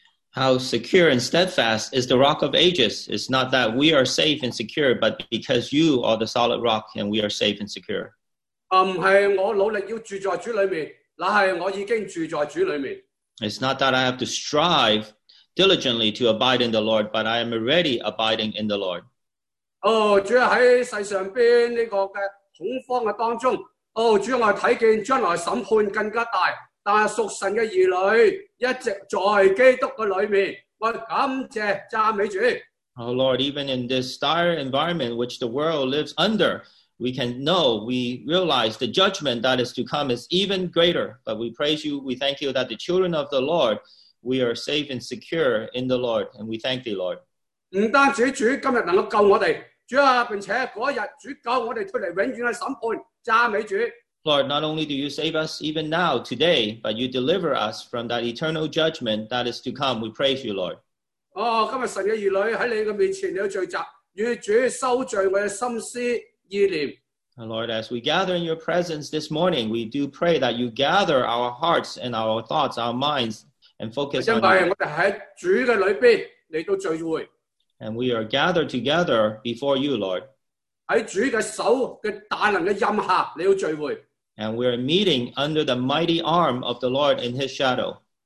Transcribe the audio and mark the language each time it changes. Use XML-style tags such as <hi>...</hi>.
<en>How secure and steadfast is the rock of ages, it's not that we are safe and secure, but because you are the solid rock and we are safe and secure.</en> <yue>唔係我努力要住在主裏面，乃係我已經住在主裏面。</yue> <en>It's not that I have to strive diligently to abide in the Lord, but I am already abiding in the Lord.</en> <yue>Oh, 主啊，在世上边呢个嘅恐慌嘅当中，哦，主啊，我睇见将来审判更加大，但系属神嘅儿女一直在基督嘅里面，我感谢赞美主。</yue> <en>Oh Lord, even in this dire environment which the world lives under, we can know, we realize the judgment that is to come is even greater. But we praise you, we thank you that the children of the Lord. We are safe and secure in the Lord, and we thank thee, Lord.</en> <yue>唔单止主今日能够救我哋，主啊，并且嗰日主救我哋出嚟永远嘅审判，赞美主。</yue> <en>Lord, not only do you save us even now, today, but you deliver us from that eternal judgment that is to come. We praise you, Lord.</en> <yue>哦，今日神嘅儿女喺你嘅面前有聚集，与主收罪我嘅心思意念。</yue> <en>Lord, as we gather in your presence this morning, we do pray that you gather our hearts and our thoughts, our minds. And focus on you. And we are gathered together before you, Lord. And we are meeting under the mighty arm of the Lord in his shadow.</en>